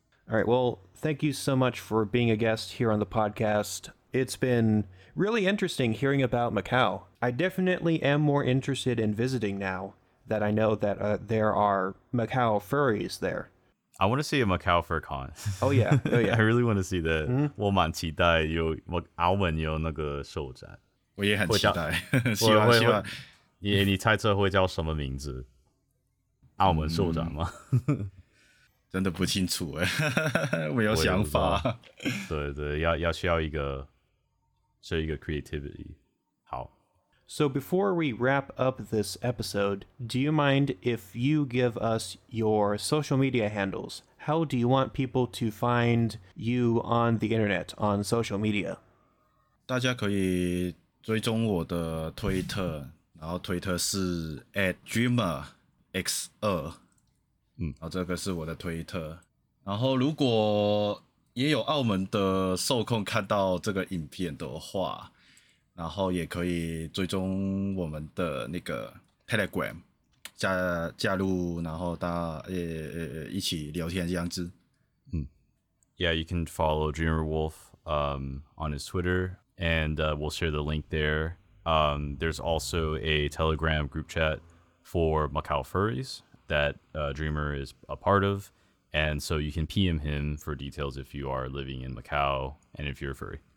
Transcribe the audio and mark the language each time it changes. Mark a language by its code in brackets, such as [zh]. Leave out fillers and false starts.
[en] All right, well, thank you so much for being a guest here on the podcast. It's been really interesting hearing about Macau. I definitely am more interested in visiting now that I know that there are Macau furries there. I want to see a Macau fur con. Oh, yeah. Oh, yeah. I really want to see that. [zh] 我蛮期待有澳门有那个兽展。我也很期待。希望。你猜测会叫什么名字？澳门兽展吗？真的不清楚哎，没有想法。对对，要需要一个，需要一个 creativity。好。 [en] So before we wrap up this episode, do you mind if you give us your social media handles? How do you want people to find you on the internet on social media? [zh] 大家可以追踪我的推特，然后推特是 @dreamerx2。然后这个是我的推特，然后如果也有澳门的受控看到这个影片的话，然后也可以追踪我们的那个 Telegram 加入，然后大家一起聊天这样子。 [en] Yeah, you can follow Dreamer Wolf on his Twitter, and we'll share the link there. There's also a Telegram group chat for Macau Furries that Dreamer is a part of, and so you can PM him for details if you are living in Macau and if you're a furry.